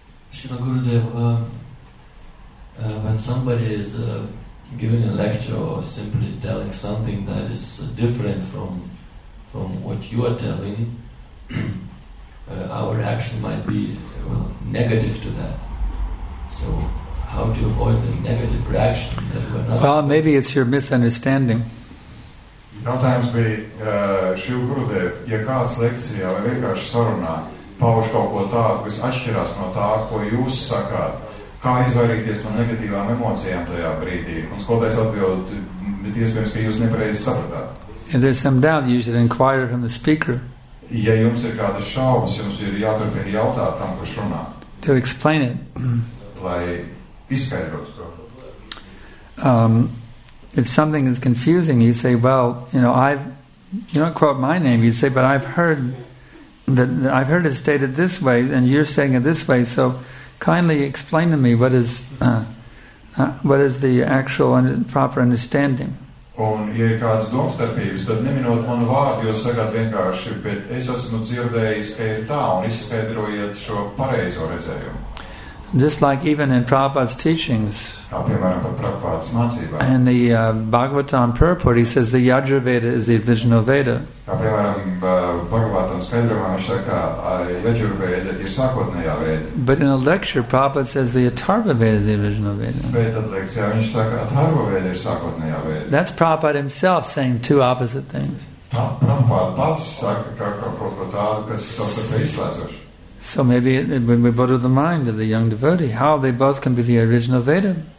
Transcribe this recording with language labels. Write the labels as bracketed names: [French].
[English] Shri Gurudev, when somebody is giving a lecture or simply telling something that is different from what you are telling, our reaction might be negative to that. So how do you avoid the negative reaction that we're not? Well, maybe it's your misunderstanding. Sometimes we, [Latvian] Shri Gurudev, ja kāds lekcija vai vienkārši sarunā pauš kaut ko tādu, kas atšķirās no tā, ko jūs sakāt, kā izvairīties no negatīvām emocijām tajā brīdī? Un skolotājs atbild, bet iespējams, ka jūs nepareizi sapratāt. [English] If there's some doubt, you should inquire from the speaker. [Latvian] Ja jums ir kādas šaubas, jums ir jāturpina jautāt tam, kurš runā. [English] To explain it. [Latvian] Lai izskaidrotu to. [English] If something is confusing, you say, well, you don't quote my name, you say, but I've heard it stated this way, and you're saying it this way, so kindly explain to me what is the actual and proper understanding. [Latvian] Un, ja ir kādas domstarpības, tad neminot manu vārdu, jūs sakāt vienkārši, bet es esmu dzirdējis, ka ir tā, un izskaidrojiet šo pareizo redzējumu. [English] Just like even in Prabhupada's teachings. [Latvian] Kā piemēram par Prabhupādas mācībā. [English] And the Bhagavatam purport, he says the Yajurveda is the original Veda. [Latvian] Kā piemēram Bhagavatam skaidrojumā, viņš saka, Yajurveda ir sākotnējā Veda. [English] But in a lecture, Prabhupada says the Atharva Veda is the original Veda. [Latvian] Bet lekcijā viņš saka, Atharva Veda ir sākotnējā Veda. [English] That's Prabhupada himself saying two opposite things. [Latvian] Tā, Prabhupada pats saka, ka kaut ko tādu, kas savstarpēji izslēdzoši. [English] So maybe when we bother the mind of the young devotee, how they both can be the original Veda.